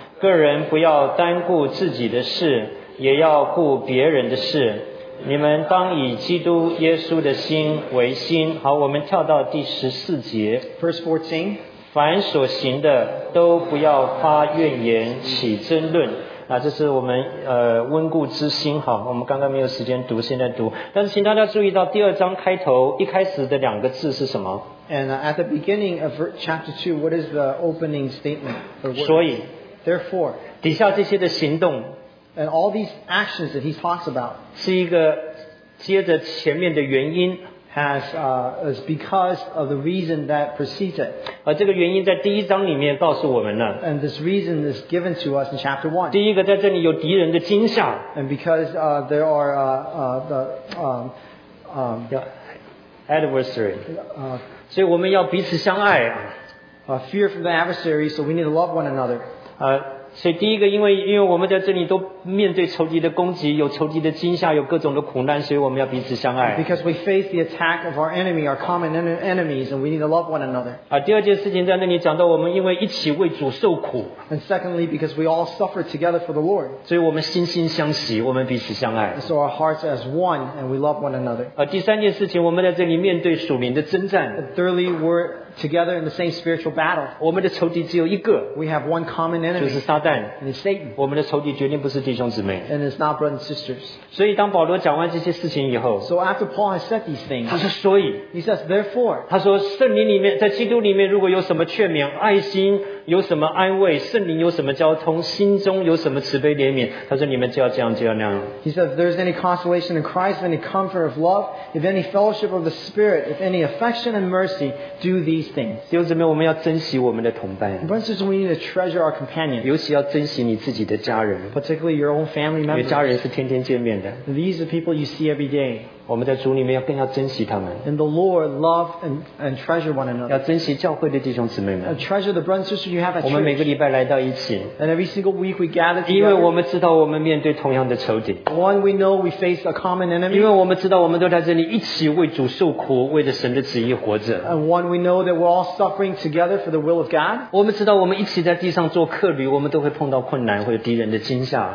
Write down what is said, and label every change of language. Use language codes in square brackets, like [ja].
[zh] 个人不要单顾自己的事也要顾别人的事你们当以基督耶稣的心为心好我们跳到第十四节 [en] Verse 14 [zh] 凡所行的都不要发怨言起争论这是我们温故知新好我们刚刚没有时间读现在读但是请大家注意到第二章开头一开始的两个字是什么 [en] And at the beginning of chapter 2 what is the opening statement [zh] 所以 [en] Therefore, [zh] 底下这些的行动 [en] and all these actions that he talks about [zh] 是一个接着前面的原因 [en] is because of the reason that precedes it. [zh] 这个原因在第一章里面告诉我们了。 [en] And this reason is given to us in chapter 1. [zh] 第一个在这里有敌人的惊吓。 [en] And because there are adversary. [zh] 所以我们要彼此相爱。 [en] Fear from the adversary, so we need to love one another. [zh] 所以第一个因为我们在这里都面对仇敌的攻击有仇敌的惊吓有各种的苦难所以我们要彼此相爱 [en] Because we face the attack of our enemy, our common enemies, and we need to love one another. [zh] 第二件事情在那里讲到我们因为一起为主受苦 [en] And secondly, because we all suffer together for the Lord. [zh] 所以我们心心相惜我们彼此相爱 [en] So our hearts as one, and we love one another. [zh] 第三件事情我们在这里面对属灵的征战 [en] Thirdly, we're together in the same spiritual battle. [zh] 我们的仇敌只有一个 [en] We have one common enemy. [zh] 就是撒旦 [en] And it's Satan. [zh] 我们的仇敌绝对不是弟兄姊妹 [en] And it's not brothers and sisters. [zh] 所以当保罗讲完这些事情以后 [en] So after Paul has said these things, [zh] 他说所以 [en] He says therefore, [zh] 他说圣灵里面 在基督里面如果有什么劝勉 爱心有什么安慰 圣灵有什么交通 心中有什么慈悲怜悯 他说你们就要这样这样那样 [en] He says if there's any consolation in Christ, any comfort of love, if any fellowship of the Spirit, if any affection and mercy, do these things. [zh] 弟兄姊妹我们要珍惜我们的同伴 [en] Brothers and sisters, we need to treasure our companion. [zh] 尤其要珍惜你自己的家人 [en] Particularly your own family members. [zh] 因为家人是天天见面的 [en] These are people you see every day. [zh] 我们在主里面要更要珍惜他们 [en] In the Lord, love and treasure one another. [zh] 要珍惜教会的弟兄姊妹们 [en] And treasure the brothers and sisters you have at church. [zh] 我们每个礼拜来到一起 [en] And every single week we gather together. [zh] 因为我们知道我们面对同样的仇敌 [en] One, we know we face a common enemy. [zh] 因为我们知道我们都在这里一起为主受苦 为着神的旨意活着 [en] And one, we know that we're all suffering together for the will of God. [zh] 我们知道我们一起在地上做客旅 我们都会碰到困难 或者敌人的惊吓